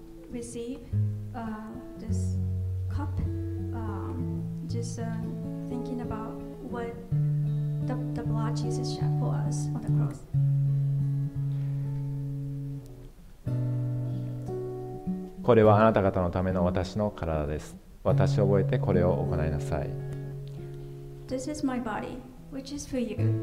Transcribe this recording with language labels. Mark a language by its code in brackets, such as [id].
[en] We receive this cup just thinking about what the blood Jesus shed for us on the cross. [ja] これはあなた方のための私の体です。私を覚えてこれを行いなさい。 [en] This is my body, which is for you.